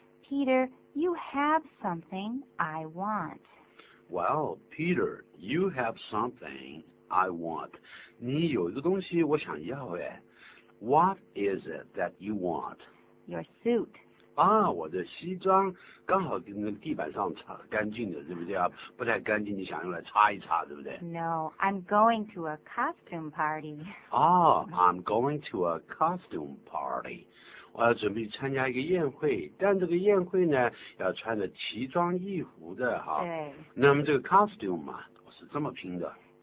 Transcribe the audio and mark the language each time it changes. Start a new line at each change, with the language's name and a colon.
English: Peter, you have something I want. Well, Peter, you have something I want.
Chinese: 你有一个东西我想要耶。
English: What is it that you want? Your suit.
Chinese: 啊，我的西装刚好跟那个地板上擦干净的，对不对啊？不太干净，你想用来擦一擦，对不对
English: ？No, I'm going to a costume party. 哦、I'm going to a costume party.
Chinese: 我要准备参加一个宴会，但这个宴会呢，要穿着奇装异服的哈。对。那么这个 costume 嘛，我是这么拼的。